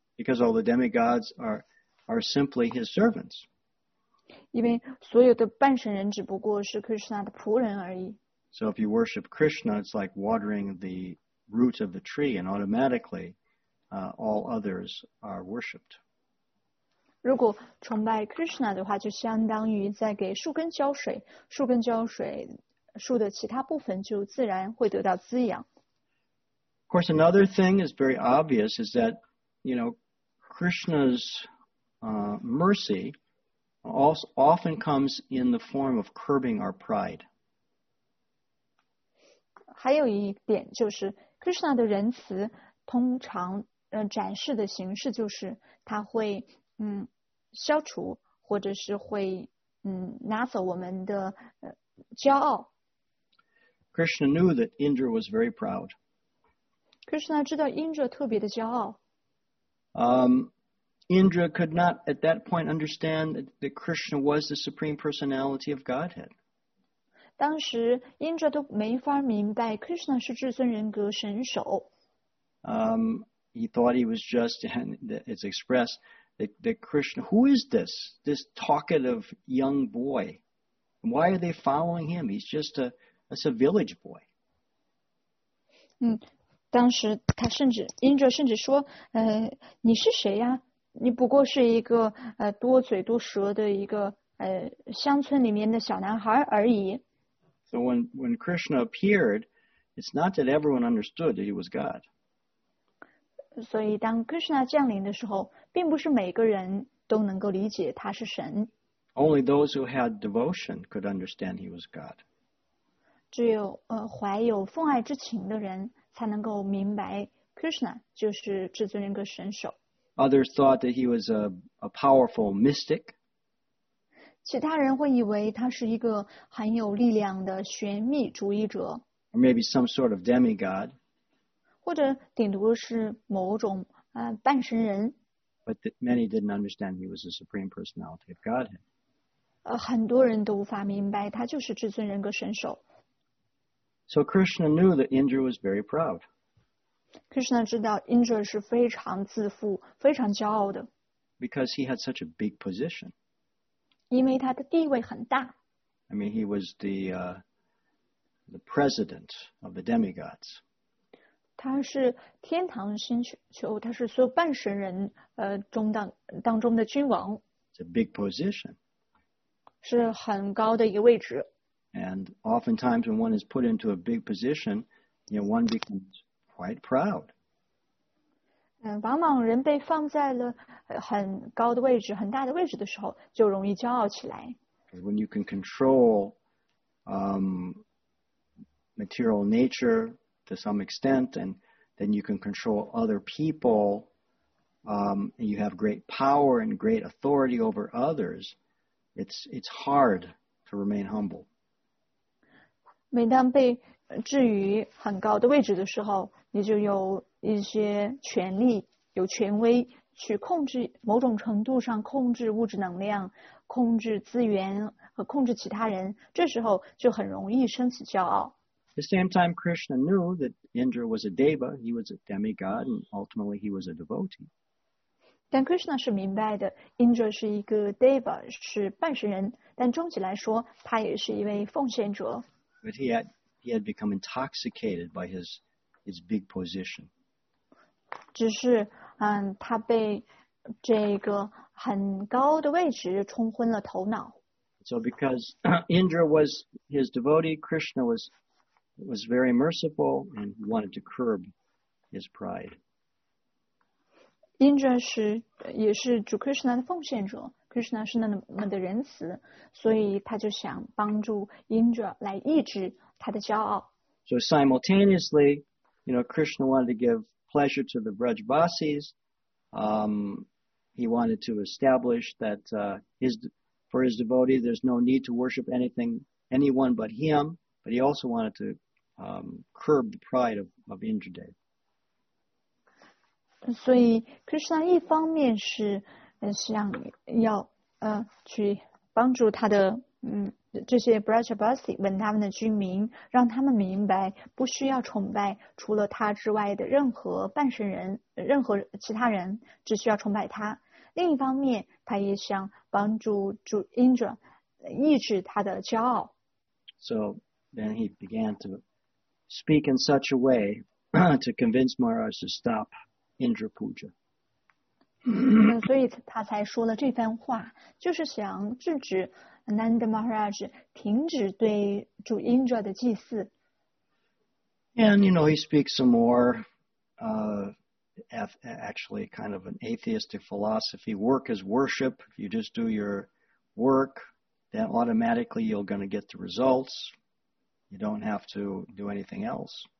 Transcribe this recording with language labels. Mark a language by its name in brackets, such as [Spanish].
[English] Because all the demigods are simply his servants. [Chinese] 因为所有的半神人只不过是 Krishna 的仆人而已。 [English] So if you worship Krishna, it's like watering the root of the tree, and automatically, all others are worshipped. [Chinese] 如果崇拜 Krishna 的话，就相当于在给树根浇水，树根浇水，树的其他部分就自然会得到滋养。 [English] Of course, another thing is very obvious is that, you know, Krishna's mercy also often comes in the form of curbing our pride. [Chinese] 还有一点就是 Krishna 的仁慈通常展示的形式就是他会消除或者是会拿走我们的骄傲。 [English] Krishna knew that Indra was very proud. [Chinese] Krishna 知道 Indra 特别的骄傲。 [English] Indra could not at that point understand that Krishna was the Supreme Personality of Godhead. [Chinese] 当时 Indra 都没法明白 Krishna 是至尊人格神首。 [English] He thought he was just, and it's expressed that Krishna, who is this talkative young boy? Why are they following him? He's just a village boy. [Chinese] 当时他甚至 Indra 甚至说，你是谁呀？你不过是一个多嘴多舌的一个乡村里面的小男孩而已。 [English] So when Krishna appeared, it's not that everyone understood that he was God. [Chinese] 所以当 Krishna 降临的时候，并不是每个人都能够理解他是神。 [English] Only those who had devotion could understand he was God. [Chinese] 只有怀有奉爱之情的人才能够明白 Krishna 就是至尊人格神首。 [English] Others thought that he was a powerful mystic. [Chinese] 其他人会以为他是一个很有力量的玄秘主义者。 [English] Or maybe some sort of demigod. [Chinese] 或者顶多是某种半神人。 [English] But many didn't understand he was the Supreme Personality of Godhead. [Chinese] 很多人都无法明白他就是至尊人格神首。 [English] So Krishna knew that Indra was very proud. [Chinese] Krishna 知道 Indra 是非常自负，非常骄傲的。 [English] Because he had such a big position. [Chinese] 因为他的地位很大。 [English] I mean, he was the president of the demigods. [Chinese] 他是天堂星球，他是所有半神人中当中的君王。 [English] It's a big position. [Chinese] 是很高的一个位置。 [English] And oftentimes when one is put into a big position, you know, one becomes quite proud. [Chinese] 往往人被放在了很高的位置，很大的位置的时候，就容易骄傲起来。 [English] When you can control material nature to some extent, and then you can control other people, and you have great power and great authority over others, it's hard to remain humble. [Chinese] 每当被置于很高的位置的时候，你就有一些权力，有权威去控制，某种程度上控制物质能量，控制资源和控制其他人，这时候就很容易生起骄傲。 [English] At the same time, Krishna knew that Indra was a deva, he was a demigod, and ultimately he was a devotee. [Chinese] 但 Krishna 是明白的， Indra 是一个 deva, 是半神人，但终极来说，他也是一位奉献者。 [English] But he had become intoxicated by his big position. [Chinese] 只是他被这个很高的位置冲昏了头脑。 [English] So because Indra was his devotee, Krishna was very merciful and wanted to curb his pride. [Chinese] Indra 也是主 Krishna 的奉献者。Krishna 是那么的仁慈，所以他就想帮助 Indra 来抑制他的骄傲。 [English] So simultaneously, you know, Krishna wanted to give pleasure to the Vrajvasis. He wanted to establish that for his devotees, there's no need to worship anyone but him. But he also wanted to curb the pride of Indradev. [Chinese] 所以 Krishna 一方面是想要去帮助他的这些 Vrajavasi 文他们的居民，让他们明白不需要崇拜除了他之外的任何半神人，任何其他人，只需要崇拜他。另一方面，他也想帮助主 Indra 抑制他的骄傲。 [English] So then he began to speak in such a way to convince Maharaj to stop Indra Puja. [Chinese] 所以他才说了这番话，就是想制止 Nanda Maharaj 停止对主 Indra 的祭祀。 [English] And you know he speaks some more, actually kind of an atheistic philosophy. Work is worship. If you just do your work, then automatically you're going to get the results. You don't have to do anything else.